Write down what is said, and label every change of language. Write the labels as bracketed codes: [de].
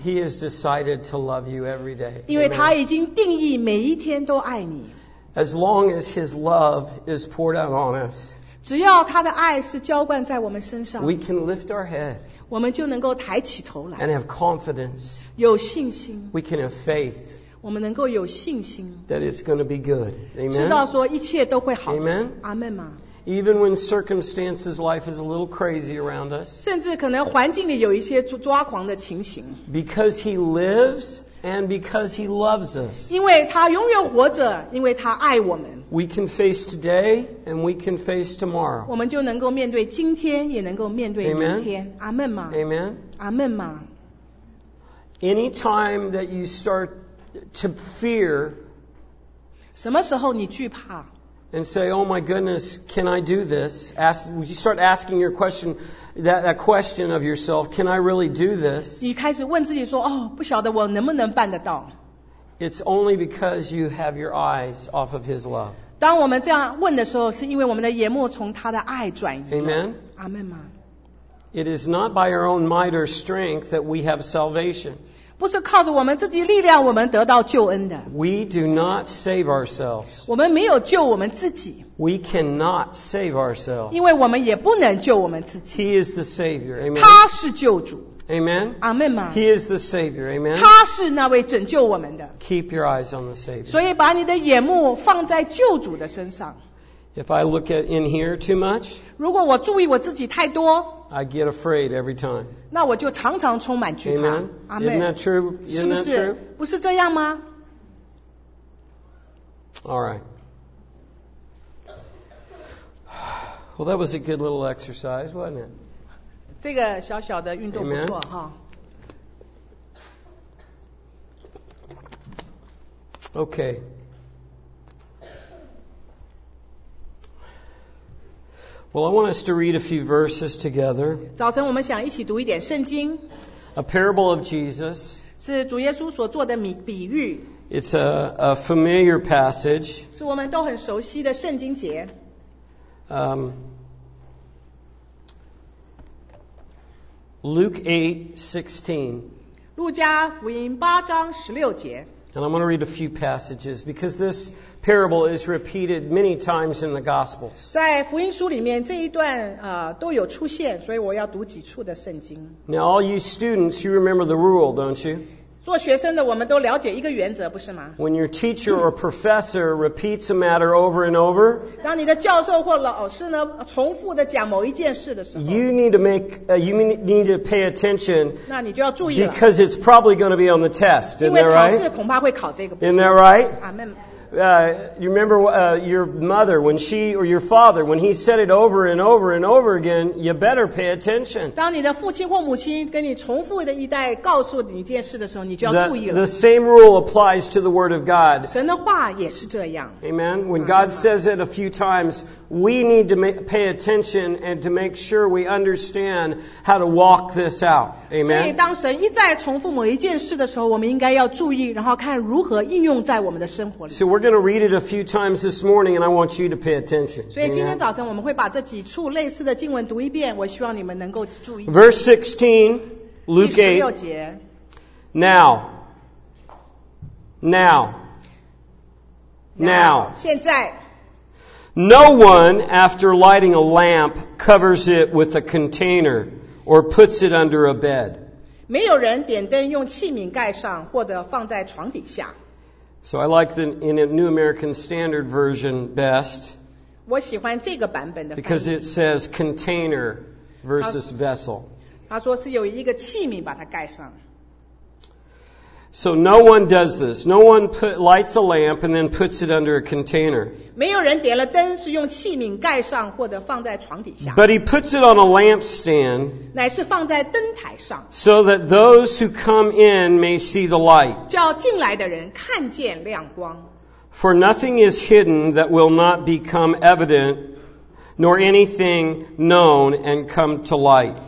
[en] He has decided to love you every day. [zh] 因为他已经定义每一天都爱你。 [en] As long as His love is poured out on us, [zh] 只要他的爱是浇灌在我们身上, [en] we can lift our head. [zh] 我们就能够抬起头来, [en] and have confidence. [zh] 有信心, [en] we can have faith. [zh] 我们能够有信心。 [en] That it's going to be good. Amen. [zh] 知道说一切都会好的。 [en] Amen. [zh] 阿们吗？ [en] Even when circumstances, life is a little crazy around us. [zh] 甚至可能环境里有一些抓狂的情形。 [en] Because he lives and because he loves us. [zh] 因为他永远活着，因为他爱我们。 [en] We can face today and we can face tomorrow. [zh] 我们就能够面对今天，也能够面对明天。阿们吗？ [en] Amen. [zh] 阿们吗？ [en] Any time that you start to fear, [zh] 什么时候你惧怕？ [en] And say, oh my goodness, can I do this? Ask, you start asking your question, that question of yourself, can I really do this? [zh] 你开始问自己说，哦，不晓得我能不能办得到。 [en] It's only because you have your eyes off of his love. [zh] 当我们这样问的时候，是因为我们的眼目从他的爱转移了。 [en] Amen. [zh] 阿们吗？ [en] It is not by our own might or strength that we have salvation. [zh] 不是靠着我们自己力量我们得到救恩的。 [en] We do not save ourselves. [zh] 我们没有救我们自己。 [en] We cannot save ourselves. [zh] 因为我们也不能救我们自己。 [en] He is the Savior. Amen. [zh] 他是救主。 [en] Amen. [zh] 阿们吗？ [en] He is the Savior. Amen. [zh] 他是那位拯救我们的。 [en] Keep your eyes on the Savior. [zh] 所以把你的眼目放在救主的身上。 [en] If I look at in here too much, [zh] 如果我注意我自己太多， [en] I get afraid every time. [zh] 那我就常常充满惧怕。 [en] Amen. Amen. Isn't that true? [zh] 是不是？不是这样吗？ [en] All right. Well, that was a good little exercise, wasn't it? [zh] 这个小小的运动不错哈。 [en] Okay. Well, I want us to read a few verses together. [zh] 早晨我们想一起读一点圣经。 [en] A parable of Jesus. [zh] 是主耶稣所做的比喻。 [en] It's a familiar passage. [zh] 是我们都很熟悉的圣经节。 [en] Luke 8:16. [zh] 路加福音八章十六节。 [en] And I'm going to read a few passages because this parable is repeated many times in the Gospels. [zh] 在福音书里面这一段都有出现，所以我要读几处的圣经。 [en] Now, all you students, you remember the rule, don't you? [zh] 做学生的我们都了解一个原则，不是吗？ [en] When your teacher or professor repeats a matter over and over, [zh] 当你的教授或老师呢重复的讲某一件事的时候， [en] you need to make, you need to pay attention. [zh] 那你就要注意了。 [en] Because it's probably going to be on the test, isn't that right? [zh] 因为考试恐怕会考这个。 [en] Isn't that right? Amen. You remember your mother when she or your father when he said it over and over and over again, you better pay attention. [zh] 当你的父亲或母亲跟你重复的一代告诉你一件事的时候，你就要注意了。 [en] The same rule applies to the Word of God. [zh] 神的话也是这样。 [en] Amen. When God says it a few times, we need to pay attention and to make sure we understand how to walk this out. Amen. [zh] 所以当神一再重复某一件事的时候，我们应该要注意，然后看如何应用在我们的生活里。 [en] So we're going to read it a few times this morning, and I want you to pay attention. [zh] 所以今天早晨我们会把这几处类似的经文读一遍，我希望你们能够注意。 [en] Verse 16, Luke 8. [zh] 第十六节。 [en] Now. [zh] 现在。 [en] No one, after lighting a lamp, covers it with a container or puts it under a bed. [zh] 没有人点灯用器皿盖上或者放在床底下。 [en] So I like the in a New American Standard version best. [zh] 我喜欢这个版本的。 [en] Because it says container versus vessel. [zh] 他说是有一个器皿把它盖上。 [en] So no one does this. No one lights a lamp and then puts it under a container. [zh] 没有人点了灯是用器皿盖上或者放在床底下。 [en] But he puts it on a lampstand. [zh] 乃是放在灯台上。 [en] So that those who come in may see the light. [zh] 叫进来的人看见亮光。 [en] For nothing is hidden that will not become evident, nor anything known and come to light.